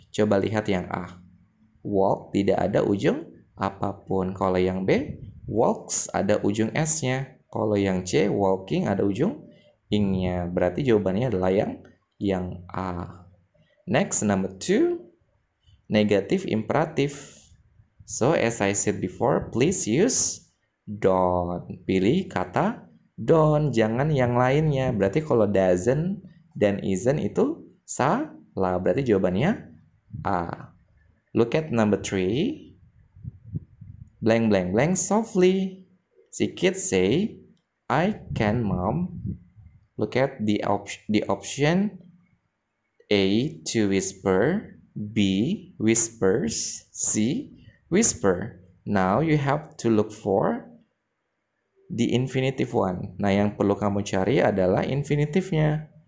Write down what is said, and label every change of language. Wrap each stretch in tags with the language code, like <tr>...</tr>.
<id>Coba lihat yang A. Walk tidak ada ujung apapun. Kalau yang B, walks ada ujung S-nya. Kalau yang C, walking ada ujung ing-nya. Berarti jawabannya adalah yang A.</id> <en>Next, number 2. Negative imperative. So, as I said before, please use don't.</en> <id>Pilih kata don't. Jangan yang lainnya. Berarti kalau doesn't dan isn't itu salah. Berarti jawabannya A.</id> <en>Look at number 3. Blank, blank, blank, softly. Si kid say, I can, mom. Look at the option. A, to whisper. B, whispers. C, whisper. Now you have to look for the infinitive one.</en> <id>Nah, yang perlu kamu cari adalah infinitive-nya.</id>